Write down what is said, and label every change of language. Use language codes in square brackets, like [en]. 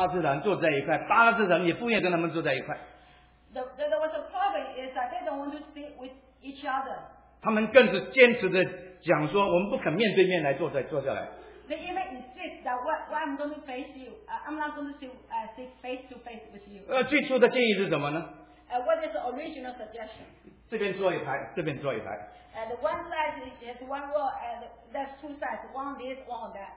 [zh] 以色列人不要跟巴勒斯坦坐在一块，巴勒斯坦也不愿意跟他们坐在一块. [en] There was a problem is that they don't want to sit with each other. [zh] 他们更是坚持的讲说，我们不肯面对面来坐下来。 [en] They even insist that why I'm going to face you, I'm not going to sit face to face with you. [zh] 最初的建议是什么呢？ [en] What is the original suggestion? [zh] 这边坐一排。 [en] And one side is one row, and there's two sides, one this, one that.